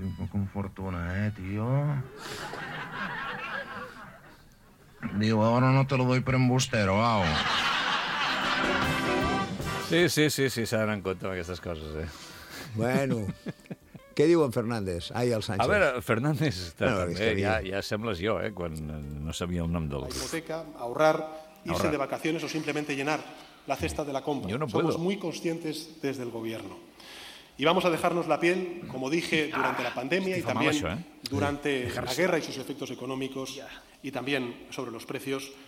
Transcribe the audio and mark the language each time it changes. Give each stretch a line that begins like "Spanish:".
Spanish: Con fortuna, tío. Digo, ahora no te lo doy por embustero, au.
Catalan: Sí, s'ha d'anar en compte amb aquestes coses, Bueno, què diu en Fernández? Ai, el Sánchez. A veure, Fernández, ja sembles jo, quan no sabia el nom del...
Spanish: La hipoteca, ahorrar, irse de vacaciones o simplemente llenar la cesta de la compra. Yo no puedo. Somos muy conscientes desde el gobierno. Y vamos a dejarnos la piel, como dije, durante la pandemia y también durante la guerra y sus efectos económicos y también sobre los precios.